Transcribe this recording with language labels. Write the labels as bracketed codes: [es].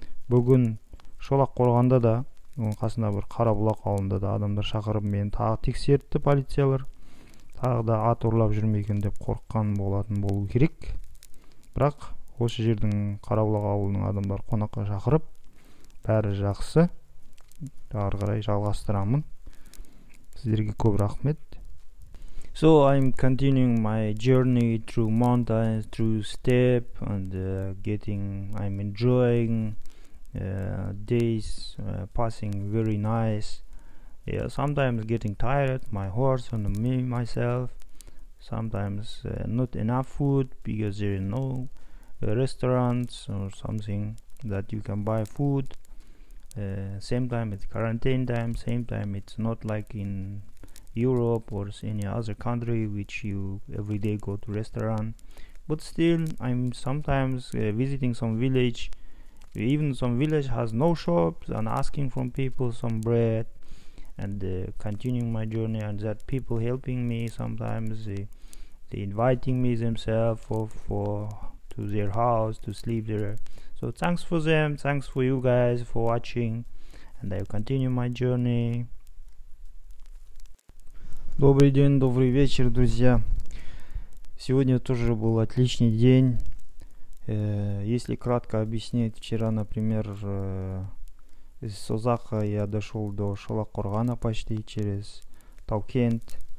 [kk] Бүгін Шолақ қорғанда да, оның қасында бір Қарабұлақ ауылында да адамдар шақырып мені тағы тексертті полициялар. Тағы да ат ұрлап жүрмейкен деп қорққан болатын болу керек. Бірақ осы жердің Қарабұлақ ауылының адамдар қонаққа шақырып, бәрі жақсы. Ары қарай жалғастырамын. Сіздерге көп рахмет. [en] So I'm continuing my journey through mountains, through step, and I'm enjoying days passing very nice. Yeah, sometimes getting tired, my horse and me, myself. Sometimes not enough food because there are no restaurants or something that you can buy food. Same time it's quarantine time, same time it's not like in Europe or any other country which you every day go to restaurant. But still, I'm sometimes visiting some village. Even some village has no shops and asking from people some bread. And continuing my journey, and that people helping me sometimes, they inviting me themselves for to their house to sleep there. So thanks for them, thanks for you guys for watching, and I'll continue my journey. [ru] Добрый день, добрый вечер, друзья. Сегодня тоже был отличный день. Если кратко объяснить, вчера, например. Из Созака я дошел до Шолаққорғана почти через Таукент.